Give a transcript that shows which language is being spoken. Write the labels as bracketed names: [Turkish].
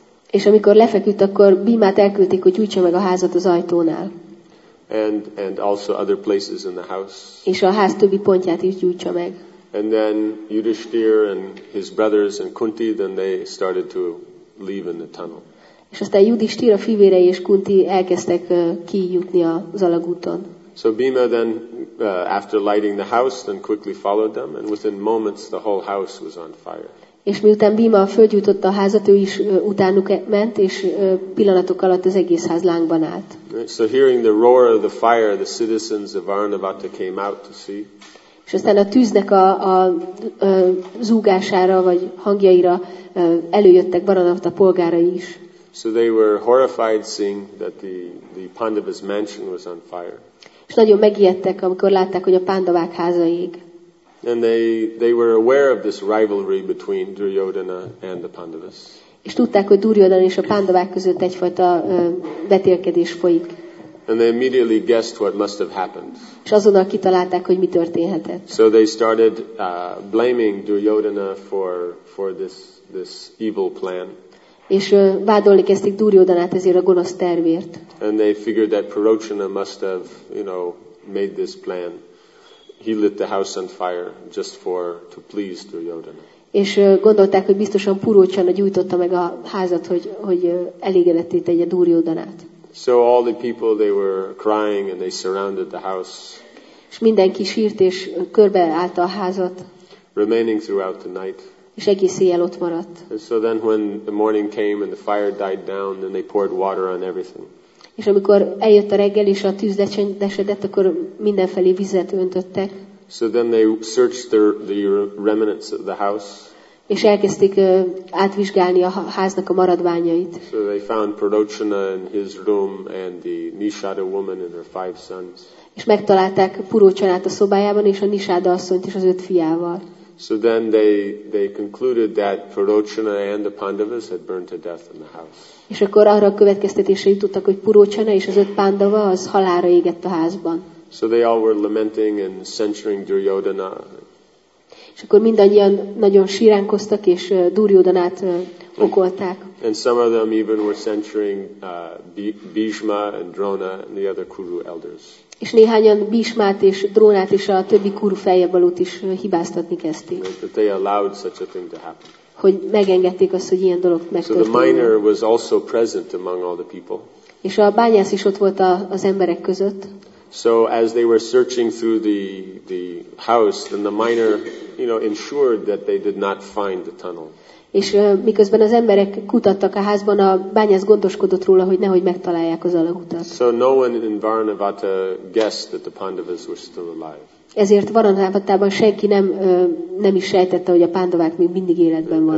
[Hungarian] És amikor lefeküdt, akkor Bhimát elküldték, hogy gyújtsa meg a házat az ajtónál. [English] And also other places in the house. [Hungarian] És a ház többi pontját is gyújtsa meg. [English] And then Yudhishthir and his brothers and Kunti, then they started to leave in the tunnel. [Hungarian] És aztán Yudhishthir, a fivérei és Kunti elkezdtek kijutni az alagúton. [English] So Bhima then after lighting the house then quickly followed them, and within moments the whole house was on fire. [Hungarian] És miután Bhima fölgyújtotta a házat, ő is utánuk ment, és pillanatok alatt az egész ház lángban állt. [English] So hearing the roar of the fire, the citizens of Varanavata came out to see. [Hungarian] És aztán a tűznek a zúgására vagy hangjaira előjöttek Varanavata polgárai is. [English] So they were horrified seeing that the Pandavas mansion was on fire. [Hungarian] És nagyon megijedtek, amikor látták, hogy a Pandavák háza ég. [English] And they were aware of this rivalry between Duryodhana and the Pandavas. [Hungarian] És tudták, hogy Duryodhana és a Pandavák között egyfajta vetélkedés folyik. [English] And they immediately guessed what must have happened. [Hungarian] És azonnal kitalálták, hogy mi történhetett. [English] So they started blaming Duryodhana for this evil plan. [Hungarian] És vádolni kezdték Duryodhanát ezért a gonosz tervért. [English] And they figured that Purochana must have, made this plan. He lit the house on fire just to please Duryodhana. [Hungarian] És gondolták, hogy biztosan Purochana gyújtotta meg a házat, hogy elégedetté tegye Duryodhanát. [English] So all the people, they were crying and they surrounded the house. [Hungarian] És mindenki sírt és körbeállta a házat. [English] Remaining throughout the night. [Hungarian] És egész éjjel ott maradt. [English] And so then when the morning came and the fire died down, then they poured water on everything. [Hungarian] És amikor eljött a reggel és a tűz lecsendesedett, akkor mindenfelé vizet öntöttek. [English] So then they searched the remnants of the house. [Hungarian] És elkezdték átvizsgálni a háznak a maradványait. [English] So they found Purochana in his room and the Nishada woman and her five sons. [Hungarian] És megtalálták Purochanát a szobájában és a Nishada asszonyt is az öt fiával. [English] So then they concluded that Purochana and the Pandavas had burned to death in the house. [Hungarian] És akkor arra a következtetésre jutottak, hogy Purochana és az öt Pandava az halálra égett a házban. [English] So they all were lamenting and censuring Duryodhana. [Hungarian] És akkor mindannyian nagyon síránkoztak és Duryodhanát okolták. [English] And some of them even were censuring Bhishma and Drona and the other Kuru elders. [Hungarian] És néhányan Bhishmát és Drónát és a többi Kuru feljebbalót is hibáztatni kezdték. [English] That they allowed such a thing to happen. [Hungarian] Hogy megengedték azt, hogy ilyen dolog megtörténjen. [English] So the miner was also present among all the people. [Hungarian] És a bányász is ott volt az emberek között. [English] So as they were searching through the house, then the miner, you know, ensured that they did not find the tunnel. [Hungarian] És miközben az emberek kutattak a házban, a bányász gondoskodott róla, hogy nehogy megtalálják az alagutat. [English] So no one in Varanavata guessed that the Pandavas were still alive. [Hungarian] Ezért Varanavatában senki nem is sejtette, hogy a pándavák még mindig életben vannak.